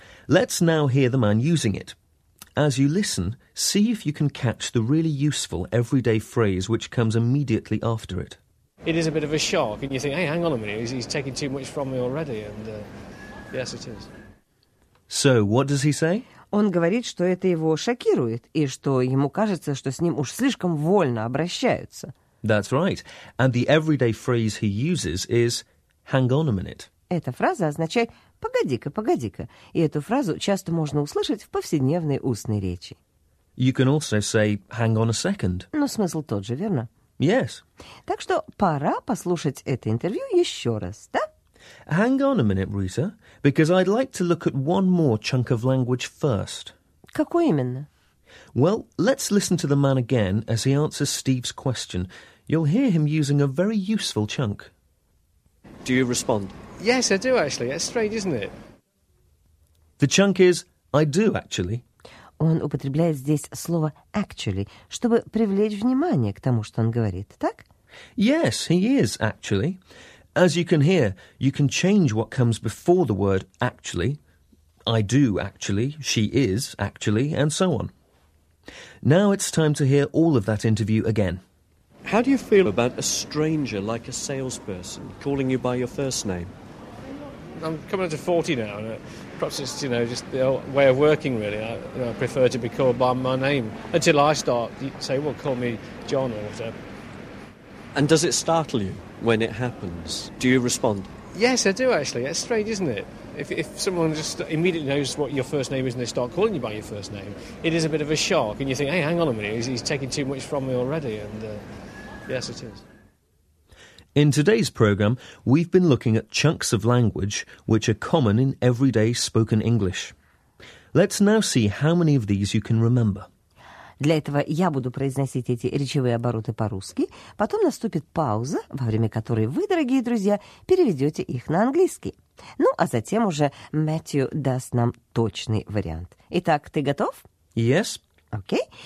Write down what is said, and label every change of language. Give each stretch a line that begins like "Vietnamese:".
English: Let's now hear the man using it. As you listen, see if you can catch the really useful everyday phrase which comes immediately after it. It is a bit of a shock, and you think, hey, hang on a minute, he's taking too much from me already, and yes, it is. So, what does he say?
Russian: Он говорит, что это его шокирует, и что ему кажется, что с ним уж слишком вольно обращаются.
English: That's right. And the everyday phrase he uses is... Hang on a minute.
Russian: Эта фраза означает «погоди-ка, погоди-ка», и эту фразу часто можно услышать в повседневной устной речи.
English: You can also say «hang on a second».
Russian: Но смысл тот же, верно?
English: Yes.
Russian: Так что пора послушать это интервью еще раз, да?
English: Hang on a minute, Rita, because I'd like to look at one more chunk of language first.
Russian: Какой именно?
English: Well, let's listen to the man again as he answers Steve's question. You'll hear him using a very useful chunk. Do you respond? Yes, I do, actually. It's strange, isn't it? The chunk is, I do, actually.
Russian: Он употребляет здесь слово actually, чтобы привлечь внимание к тому, что он говорит, так?
English: Yes, he is, actually. As you can hear, you can change what comes before the word actually, I do actually, she is actually, and so on. Now it's time to hear all of that interview again. How do you feel about a stranger, like a salesperson, calling you by your first name? I'm coming to 40 now, and perhaps it's, you know, just the old way of working, really. I prefer to be called by my name. Until I start, say, well, call me John or whatever. And does it startle you when it happens? Do you respond? Yes, I do, actually. It's strange, isn't it? If someone just immediately knows what your first name is and they start calling you by your first name, it is a bit of a shock, and you think, hey, hang on a minute, he's taking too much from me already, and yes, it is. In today's programme, we've been looking at chunks of language which are common in everyday spoken English. Let's now see how many of these you can remember.
Russian: Для этого я буду произносить эти речевые обороты по-русски, потом наступит пауза, во время которой вы, дорогие друзья, переведете их на английский. Ну, а затем уже Мэтью даст нам точный вариант. Итак, ты готов?
English: Yes.
Russian: Окей.